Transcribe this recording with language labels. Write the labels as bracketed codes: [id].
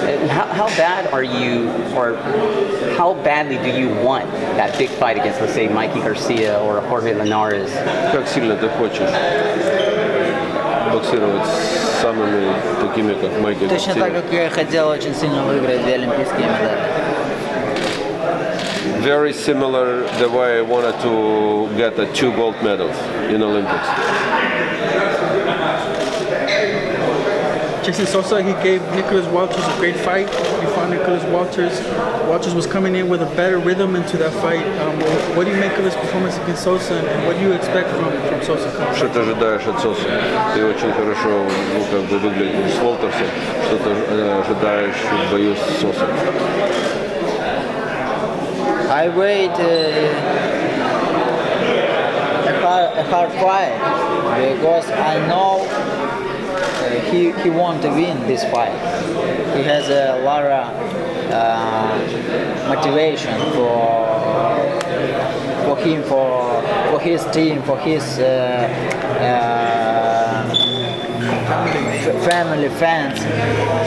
[en] How bad are you, or how badly do you want that big fight against, let's say, Mikey Garcia or Jorge Linares? [ru] Как сильно ты хочешь боксировать с самыми такими, как Майки Гарсия? Точно так, как я хотел очень сильно выиграть две олимпийские медали. [en] Very similar the way I wanted to get the two gold medals in Olympics. Jason Sosa, he gave Nicholas Walters a great fight. He fought Nicholas Walters. Walters was coming in with a better rhythm into that fight. What do you make of his performance against Sosa, and what do you expect from Sosa? [ru] Что ты ожидаешь от Сосы? Ты очень хорошо, ну, как бы выглядел с Уолтерсом. Что ты ожидаешь в бою с Сосой? [en] I wait a hard fight because I know he want to win this fight. He has a lot of motivation for him, for his team, for his family, fans.